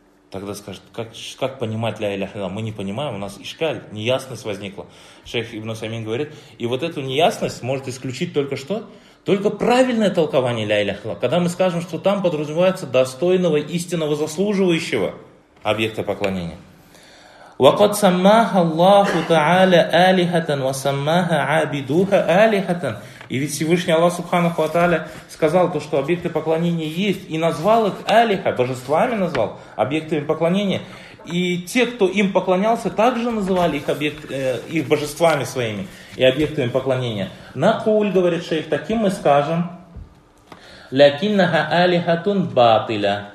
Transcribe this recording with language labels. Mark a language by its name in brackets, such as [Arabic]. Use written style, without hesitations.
[Russian] Тогда скажут, как понимать «ля иляха илляла»? Мы не понимаем, у нас ишкаль, неясность возникла. Шейх Ибн Усаймин говорит, и вот эту неясность может исключить только что? Только правильное толкование «ля иляха илляла». Когда мы скажем, что там подразумевается достойного, истинного, заслуживающего объекта поклонения. [Arabic] وقد سماها الله تعالى آلهة وسماها عابدوها آلهة. [Russian] И ведь Всевышний Аллах Субханаху Ва-Та'аля сказал то, что объекты поклонения есть, и назвал их алиха, божествами назвал, объектами поклонения. И те, кто им поклонялся, также называли их, их божествами своими и объектами поклонения. Накуль, говорит шейх, таким мы скажем, [Arabic] лякиннаха алихатун батыля.